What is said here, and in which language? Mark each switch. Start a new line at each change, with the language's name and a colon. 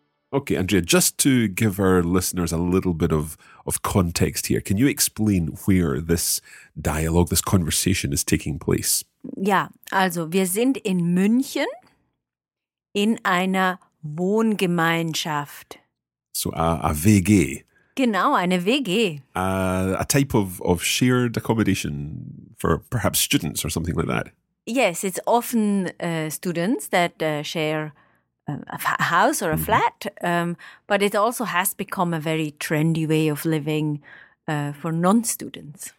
English: Okay, Andrea, just to give our listeners a little bit of context here, can you explain where this dialogue, this conversation is taking place?
German: Ja, also wir sind in München in einer Wohngemeinschaft.
English: So a WG.
German: Genau, eine WG.
English: A type of shared accommodation for perhaps students or something like that. Yes, it's often students that share a house or a flat, but it also has become a very trendy way of living for non-students.